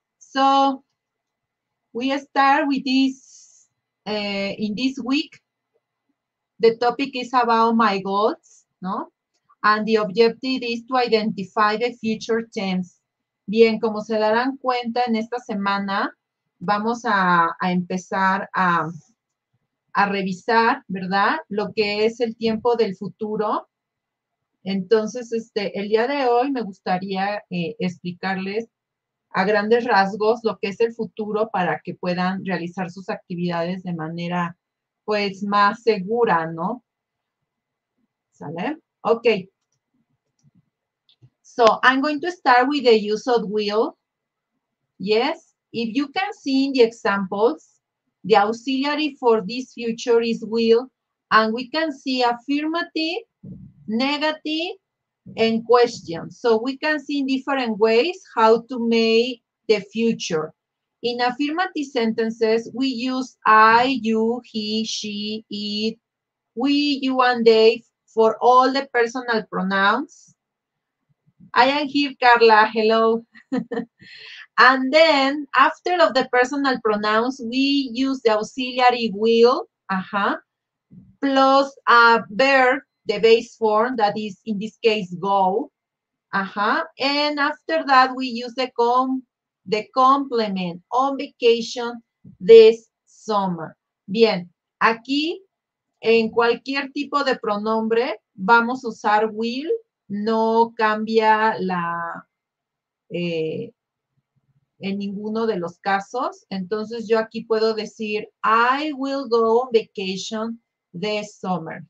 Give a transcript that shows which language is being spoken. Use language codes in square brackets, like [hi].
[en] So, we start with this in this week. The topic is about my goals, ¿no? And the objective is to identify the future tense. [es] Bien, como se darán cuenta, en esta semana vamos a empezar a revisar, ¿verdad? Lo que es el tiempo del futuro. Entonces, el día de hoy me gustaría explicarles a grandes rasgos lo que es el futuro para que puedan realizar sus actividades de manera, pues, más segura, ¿no? ¿Sale? Ok. [en] So, I'm going to start with the use of will. Yes. If you can see in the examples, the auxiliary for this future is will, and we can see affirmative, negative, and question. So we can see in different ways how to make the future. In affirmative sentences, we use I, you, he, she, it, we, you, and they for all the personal pronouns. I am here, Carla. Hello. And then after of the personal pronouns, we use the auxiliary will, plus a verb. The base form that is in this case go. And after that, we use the complement on vacation this summer. [es] Bien, aquí en cualquier tipo de pronombre vamos a usar will, no cambia en ninguno de los casos. Entonces, yo aquí puedo decir [en] I will go on vacation the summer.